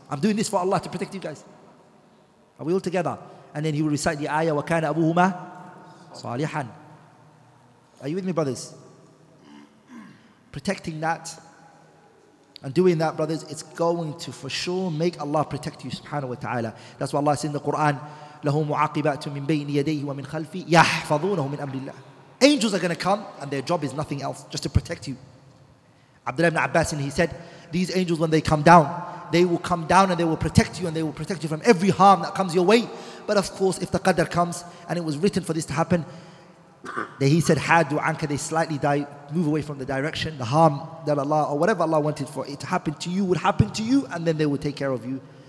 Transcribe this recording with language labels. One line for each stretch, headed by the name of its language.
English: I'm doing this for Allah to protect you guys. Are we all together? And then he will recite the ayah,
Arabic: وَكَانَ أَبُوهُمَا صَالِحًا.
English: Are you with me, brothers? Protecting that and doing that, brothers, it's going to for sure make Allah protect you, subhanahu wa ta'ala. That's why Allah said in the Quran,
Arabic: لَهُ مُعَاقِبَاتٌ مِنْ بَيْنِ يَدَيْهِ وَمِنْ خَلْفِي يَحْفَظُونَهُ مِنْ أَمْرِ اللَّهِ.
English: Angels are going to come and their job is nothing else, just to protect you. Abdullah ibn Abbas, and he said, these angels, when they come down, they will come down and they will protect you, and they will protect you from every harm that comes your way. But of course, if the Qadr comes and it was written for this to happen, then he said, Hadu anka, they slightly die, move away from the direction, the harm that Allah, or whatever Allah wanted for it to happen to you, would happen to you, and then they will take care of you.